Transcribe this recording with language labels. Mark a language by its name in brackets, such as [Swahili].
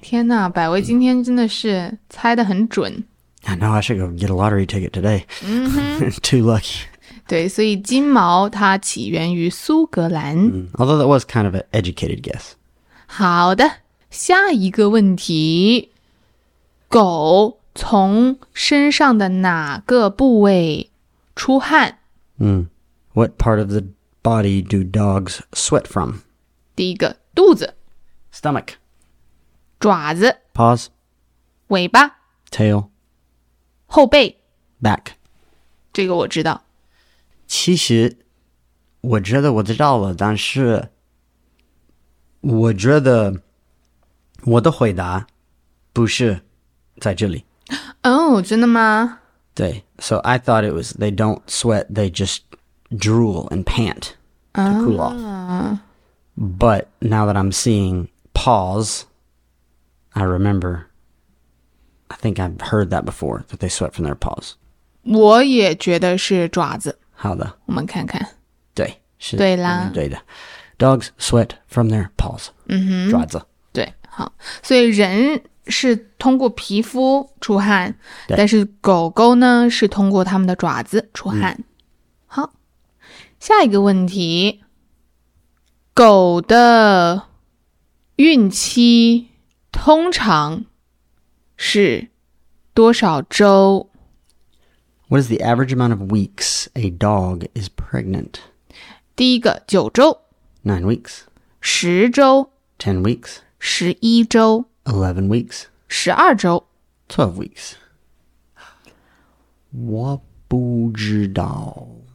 [Chinese] 天哪，百威今天真的是猜得很准。 [English] I know, I should go get a lottery ticket today. Too lucky. [Chinese] 对，所以金毛它起源于苏格兰。 [English] Although that was kind of an educated guess. [Chinese] 好的，下一个问题。狗从身上的哪个部位出汗？ What part of the body do dogs sweat from? 第一个，肚子。 [English] Stomach. [Chinese] 爪子。 [English] Paws. [Chinese] 尾巴。 [English] Tail. [Chinese] 后背。 [English] Back. [Chinese] 这个我知道。其实我觉得我知道了，但是我觉得我的回答不是在这里。 Oh, 真的吗？对。 [English] So I thought it was they don't sweat, they just drool and pant to cool off. But now that I'm seeing paws, I remember, I think I've heard that before, that they sweat from their paws. [Chinese] 我也觉得是爪子。好的，我们看看。对，是对啦，对的。 [English] Dogs sweat from their paws. 爪子。 [Chinese] 对，好。所以人是通过皮肤出汗，但是狗狗呢是通过它们的爪子出汗。好，下一个问题。狗的孕期通常是多少周？ [English] What is the average amount of weeks a dog is pregnant? [Chinese] 第一个九周。 [English] 9 weeks. [Chinese] 十周。 [English] 10 weeks. [Chinese] 十一周。 [English] 11 weeks. [Chinese] 十二周。 [English] 12 weeks. [Chinese] 我不知道。